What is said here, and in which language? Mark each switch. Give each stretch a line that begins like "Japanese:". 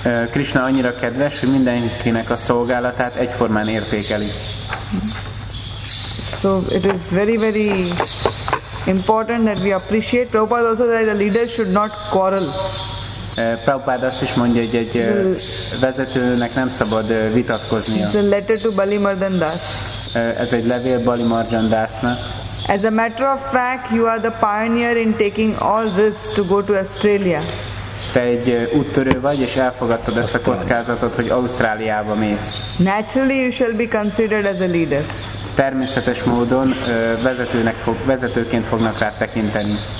Hungarian: Krishna annyira kedves, hogy mindenkinek a szolgálatát egyformán értékeli.
English: So it is very, very important that we appreciate. Prabhupada also said a leader should not quarrel.
Hungarian: Prabhupád azt is mondja, hogy egy vezetőnek nem szabad vitatkoznia.
English: It's a letter to Bali Mardan Das.
Hungarian: Ez egy levél Bali Mardan Dasnak.
English: As a matter of fact, you are the pioneer in taking all risks to go to Australia.
Hungarian: Te egy úttörő vagy, és elfogadtad ezt a kockázatot, hogy Ausztráliába mész.
English: Naturally you shall be considered as a leader.
Hungarian: Természetes módon vezetőként fognak rá tekinteni.